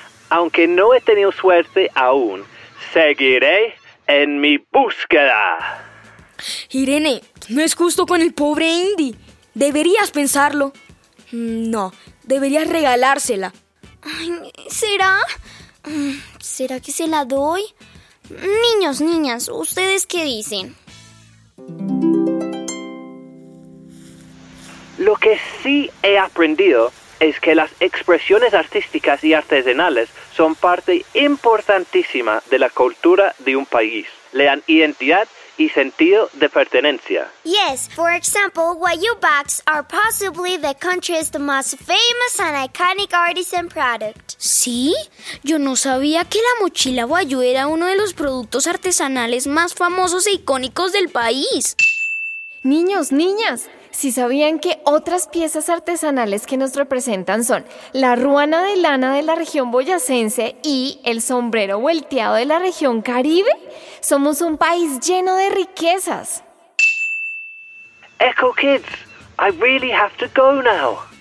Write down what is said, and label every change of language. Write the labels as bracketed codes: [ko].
[es] Aunque no he tenido suerte aún, seguiré en mi búsqueda. Irene, no es justo con el pobre Indy. Deberías pensarlo. No, deberías regalársela. ¿Será? ¿Será que se la doy? Niños, niñas, ¿ustedes qué dicen? Lo que sí he aprendido es que las expresiones artísticas y artesanales son parte importantísima de la cultura de un país. Le dan identidad y sentido de pertenencia. [en] Yes, for example, Guayubacs are possibly the country's most famous and iconic artisan product. [es] ¿Sí? Yo no sabía que la mochila Guayú era uno de los productos artesanales más famosos e icónicos del país. Niños, niñas, ¿sí sabían que otras piezas artesanales que nos representan son la ruana de lana de la región boyacense y el sombrero vuelteado de la región Caribe? Somos un país lleno de riquezas. [en] Echo Kids, I really have to go now.